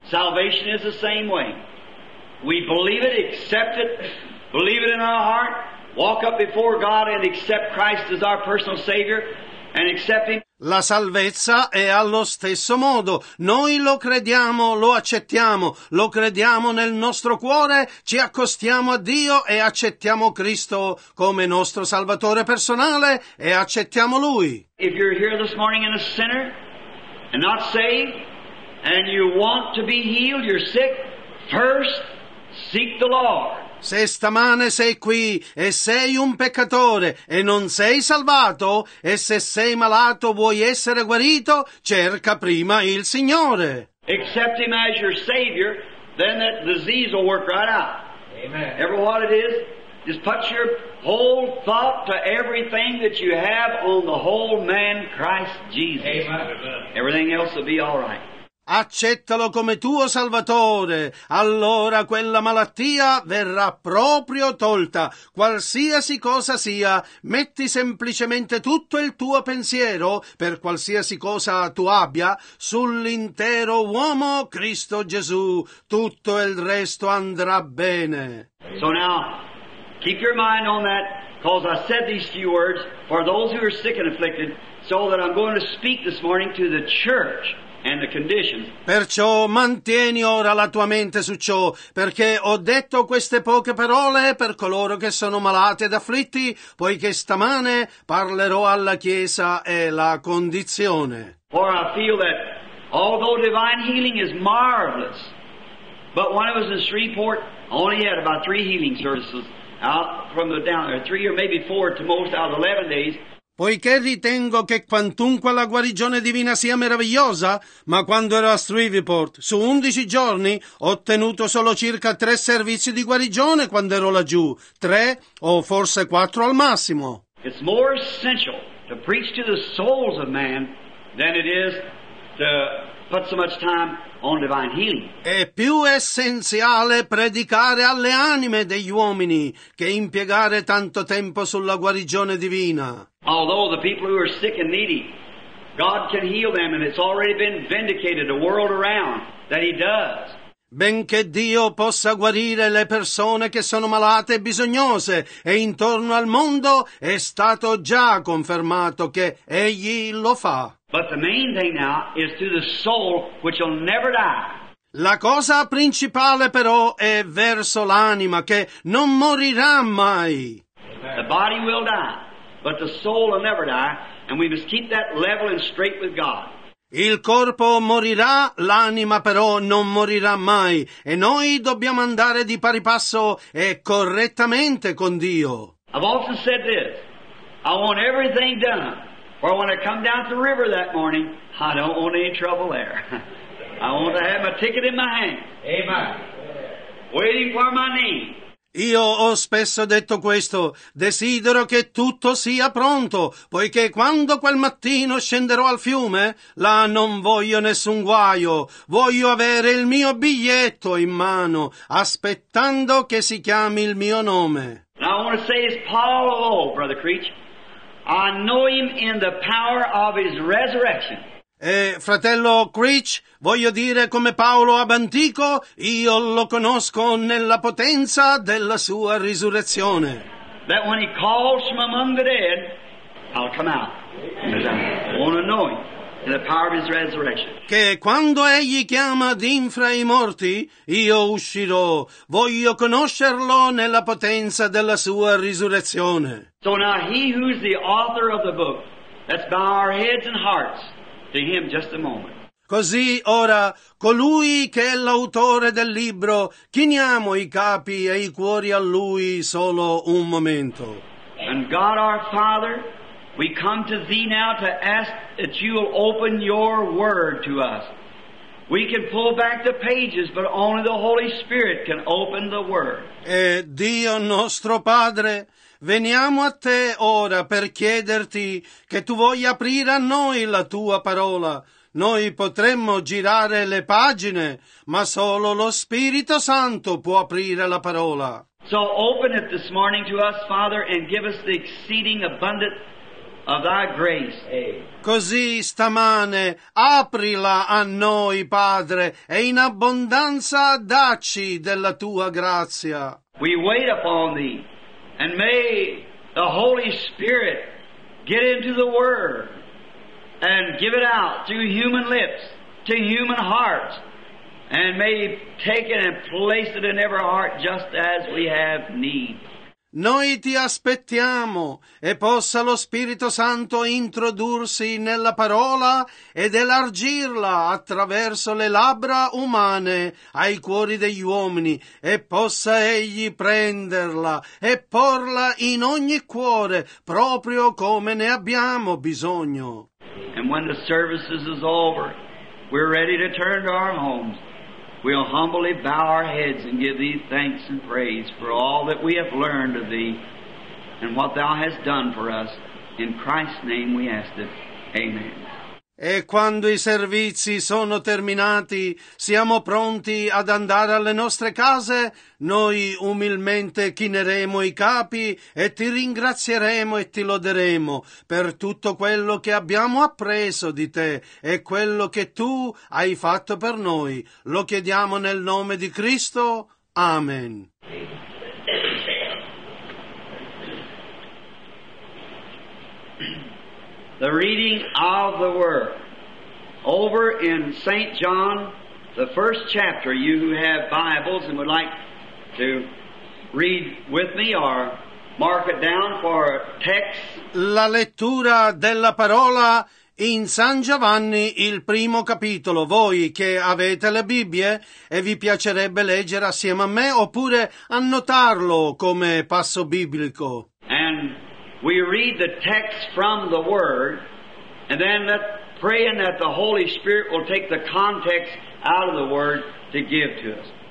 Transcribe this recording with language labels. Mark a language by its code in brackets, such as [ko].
[en] Salvation is the same way. We believe it, accept it, believe it in our heart, walk up before God and accept Christ as our personal Savior and accept Him. [it] La salvezza è allo stesso modo. Noi lo crediamo, lo accettiamo, lo crediamo nel nostro cuore, ci accostiamo a Dio e accettiamo Cristo come nostro Salvatore personale e accettiamo Lui. [en] If you're here this morning and a sinner and not saved, and you want to be healed, you're sick, first seek the Lord. [it] Se stamane sei qui e sei un peccatore e non sei salvato, e se sei malato vuoi essere guarito, cerca prima il Signore. [en] Accept Him as your Savior, then that disease will work right out. Amen. Ever what it is, just put your whole thought to everything that you have on the whole man Christ Jesus. Amen. Everything else will be all right. [it] Accettalo come tuo Salvatore, allora quella malattia verrà proprio tolta. Qualsiasi cosa sia, metti semplicemente tutto il tuo pensiero, per qualsiasi cosa tu abbia, sull'intero uomo Cristo Gesù. Tutto il resto andrà bene. [en] So now, keep your mind on that, because I said these few words for those who are sick and afflicted, so that I'm going to speak this morning to the church. and the condition. [it] Perciò mantieni ora la tua mente su ciò, perché ho detto queste poche parole per coloro che sono malati ed afflitti, poiché stamane parlerò alla Chiesa e la condizione. [en] For I feel that although divine healing is marvelous, but when I was in Shreveport, only had about 3 healing services out from the down there, 3 or maybe 4 at the most out of 11 days. [it] Poiché ritengo che quantunque la guarigione divina sia meravigliosa, ma quando ero a Shreveport, su 11 giorni ho ottenuto solo circa 3 servizi di guarigione quando ero laggiù, 3 o forse 4 al massimo. [en] It's more essential to preach to the souls of man than it is to put so much time on divine healing. [it] È più essenziale predicare alle anime degli uomini che impiegare tanto tempo sulla guarigione divina. [en] Although the people who are sick and needy, God can heal them, and it's already been vindicated the world around that He does. [it] Benché Dio possa guarire le persone che sono malate e bisognose, e intorno al mondo è stato già confermato che Egli lo fa. [en] But the main thing now is to the soul which will never die. [it] La cosa principale però è verso l'anima che non morirà mai. [en] The body will die, but the soul will never die, and we must keep that level and straight with God. [it] Il corpo morirà, l'anima però non morirà mai, e noi dobbiamo andare di pari passo e correttamente con Dio. [en] I've often said this, I want everything done. Or when I come down the river that morning, I don't want any trouble there. I want to have my ticket in my hand. Amen. Waiting for my name. [it] Io ho spesso detto questo, desidero che tutto sia pronto, poiché quando quel mattino scenderò al fiume, là non voglio nessun guaio, voglio avere il mio biglietto in mano, aspettando che si chiami il mio nome. [en] Now I want to say it's Paul of old, Brother Creech. I know him in the power of his resurrection. [it] Fratello Creech, voglio dire come Paolo ab antico, io lo conosco nella potenza della sua risurrezione. [en] That when he calls from among the dead, I'll come out. I want to know him in the power of his resurrection. [it] Che quando egli chiama d'infra i morti, io uscirò. Voglio conoscerlo nella potenza della sua risurrezione. [en] So now he who's the author of the book, let's bow our heads and hearts to him just a moment. [it] Così ora, colui che è l'autore del libro, chiniamo i capi e i cuori a lui solo un momento. [en] And God our Father, we come to thee now to ask that you will open your word to us. We can pull back the pages, but only the Holy Spirit can open the word. [it] E Dio nostro Padre, veniamo a te ora per chiederti che tu voglia aprire a noi la tua parola. Noi potremmo girare le pagine, ma solo lo Spirito Santo può aprire la parola. [en] So open it this morning to us, Father, and give us the exceeding abundant of thy grace. [it] Così stamane, aprila a noi, Padre, e in abbondanza dacci della tua grazia. [en] We wait upon thee. And may the Holy Spirit get into the Word and give it out through human lips to human hearts, and may He take it and place it in every heart just as we have need. [it] Noi ti aspettiamo e possa lo Spirito Santo introdursi nella parola ed elargirla attraverso le labbra umane ai cuori degli uomini e possa egli prenderla e porla in ogni cuore proprio come ne abbiamo bisogno. [en] And when the services is over, we're ready to turn to our homes. We'll humbly bow our heads and give thee thanks and praise for all that we have learned of thee and what thou hast done for us. In Christ's name we ask it. Amen. [it] E quando i servizi sono terminati, siamo pronti ad andare alle nostre case, noi umilmente chineremo i capi e ti ringrazieremo e ti loderemo per tutto quello che abbiamo appreso di te e quello che tu hai fatto per noi. Lo chiediamo nel nome di Cristo. Amen. [en] The reading of the Word. Over in St. John, the first chapter, you who have Bibles and would like to read with me or mark it down for text. [it] La lettura della parola in San Giovanni, il primo capitolo. Voi che avete le Bibbie e vi piacerebbe leggere assieme a me oppure annotarlo come passo biblico. [en] And we read the text from the Word and then let praying that the Holy Spirit will take the context out of the Word to give to us.